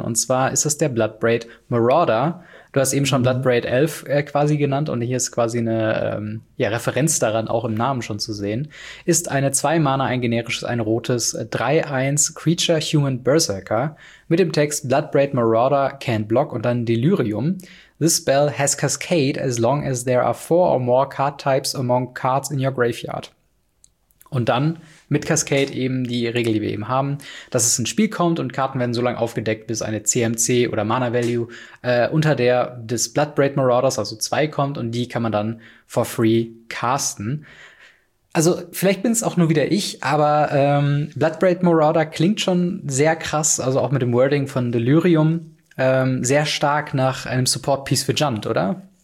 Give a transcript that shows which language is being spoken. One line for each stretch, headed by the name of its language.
German: Und zwar ist das der Bloodbraid Marauder. Du hast eben schon Bloodbraid Elf quasi genannt und hier ist quasi eine Referenz daran, auch im Namen schon zu sehen. Ist eine 2 Mana, ein generisches, ein rotes 3/1 Creature Human Berserker mit dem Text Bloodbraid Marauder
English: can't block
German: und dann Delirium.
English: This spell has Cascade as long as there are 4 or more card types among cards in your graveyard.
German: Und dann mit Cascade eben die Regel, die wir eben haben, dass es ins Spiel kommt und Karten werden so lange aufgedeckt, bis eine CMC oder Mana-Value unter der des Bloodbraid Marauders, also 2, kommt. Und die kann man dann for free casten. Also vielleicht bin es auch nur wieder ich, aber Bloodbraid Marauder klingt schon sehr krass, also auch mit dem Wording von Delirium, sehr stark nach einem Support-Piece für Jund, oder?